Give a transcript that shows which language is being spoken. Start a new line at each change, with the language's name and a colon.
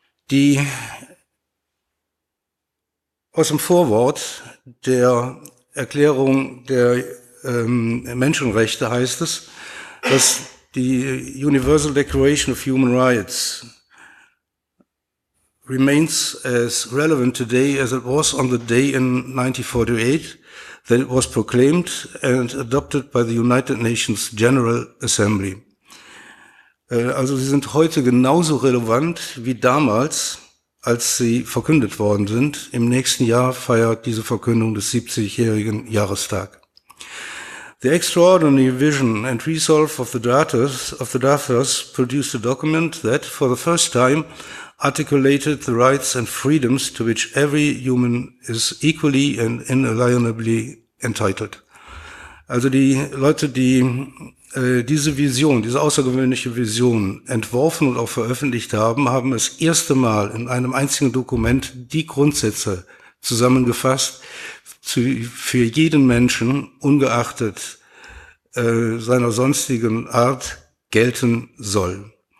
German: die aus dem Vorwort der Erklärung der Menschenrechte heißt es, dass
English: die Universal Declaration of Human Rights remains as relevant today as it was on the day in 1948 that it was proclaimed and adopted by the United Nations General Assembly.
German: Also sie sind heute genauso relevant wie damals, als sie verkündet worden sind. Im nächsten Jahr feiert diese Verkündung des 70-jährigen Jahrestag.
English: The extraordinary vision and resolve of the drafters produced a document that, for the first time, articulated the rights and freedoms to which every human is equally and inalienably entitled.
German: Also die Leute, die diese Vision, diese außergewöhnliche Vision entworfen und auch veröffentlicht haben, haben das erste Mal in einem einzigen Dokument die Grundsätze zusammengefasst, für jeden Menschen, ungeachtet seiner sonstigen Art, gelten soll.